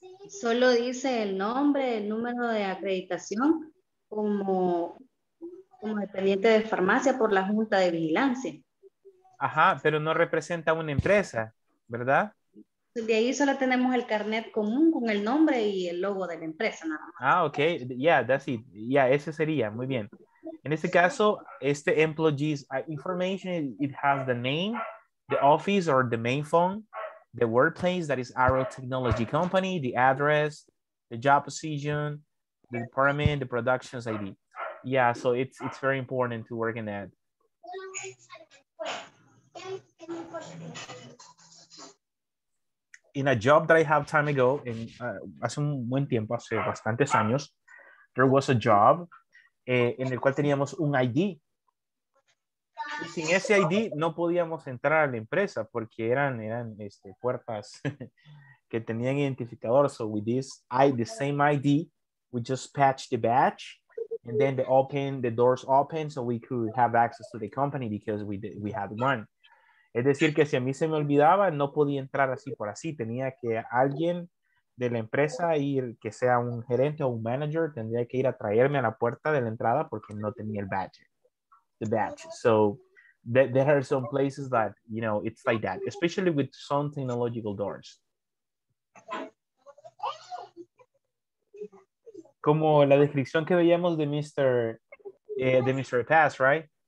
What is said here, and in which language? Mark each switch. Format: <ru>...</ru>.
<es>Solo dice el nombre, el número de acreditación como dependiente de farmacia por la Junta de Vigilancia. Ajá, pero no representa una empresa, ¿verdad? De ahí solo tenemos el carnet común con el nombre y el logo de la empresa, nada más.</es> <en>Ah, ok, yeah, that's it. Yeah,</en> <es>ese sería, muy bien. En este caso, este</es> <en>employee's information, it has the name, the office or the main phone, the workplace, that is our technology company, the address, the job position, the department, the production's ID. Yeah, so it's very important to work in that. In a job that I have time ago,</en> <es>hace un buen tiempo, hace bastantes años,</es> <en>there was a job</en> <es>en el cual teníamos un ID. Y sin ese ID no podíamos entrar a la empresa porque eran puertas que tenían identificador.</es> <en>So with this ID, the same ID, we just patched the badge and then the doors opened so we could have access to the company because we had one.</en> <es>Es decir, que si a mí se me olvidaba, no podía entrar así por así. Tenía que alguien de la empresa ir, que sea un gerente o un manager, tendría que ir a traerme a la puerta de la entrada porque no tenía el badge.</es> <en>The batch. So there are some places that, you know, it's like that, especially with some technological doors.</en> <es>Como la descripción que veíamos de Mr. Pass, right?</es>